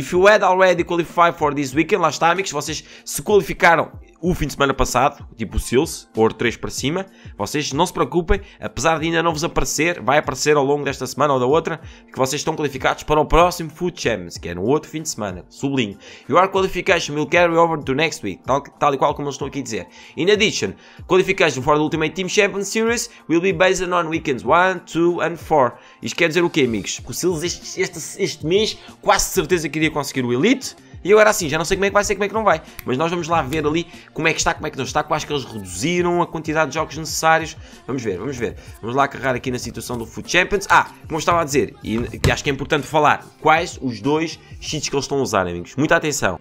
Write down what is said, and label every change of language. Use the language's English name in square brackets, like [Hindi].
[English] If you had already qualified for this weekend, [Portuguese] lá está, amigos, vocês se qualificaram o fim de semana passado, tipo o Seals, por 3 para cima, vocês não se preocupem, apesar de ainda não vos aparecer, vai aparecer ao longo desta semana ou da outra, que vocês estão qualificados para o próximo Foot Champions, que é no outro fim de semana, sublinho. [English] Your qualification will carry over to next week, [Portuguese] tal e qual como eles estão aqui a dizer. [English] In addition, qualification for the Ultimate Team Champions Series will be based on weekends 1, 2 and 4. [Portuguese] Isto quer dizer o quê, amigos? Que o Seals este mês, quase certeza que iria conseguir o Elite, e agora sim, já não sei como é que vai ser, como é que não vai. Mas nós vamos lá ver ali como é que está, como é que não está. Quais que eles reduziram a quantidade de jogos necessários. Vamos ver, vamos ver. Vamos lá carregar aqui na situação do Foot Champions. Ah, como eu estava a dizer, e que acho que é importante falar, quais os dois cheats que eles estão a usar, amigos. Muita atenção.